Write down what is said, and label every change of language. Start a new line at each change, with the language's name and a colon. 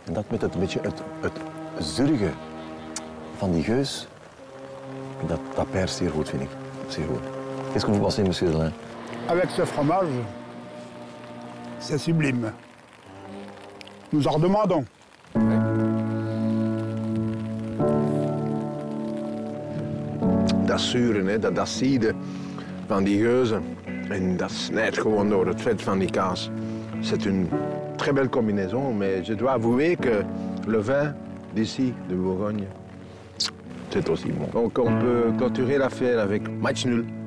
Dutch: Met het beetje het zurige van die geus, dat perst zeer goed, vind ik. Zeer goed.
French: Qu'est-ce que vous pensez, monsieur Delain? Avec ce fromage, c'est sublime. Nous en demandons.
Dutch: Dat zure, hè, dat acide van die geuzen, en dat snijdt gewoon door het vet van die kaas.
French: C'est une très belle combinaison, mais je dois avouer que le vin d'ici, de Bourgogne, c'est aussi bon. Donc on peut clôturer l'affaire avec match nul.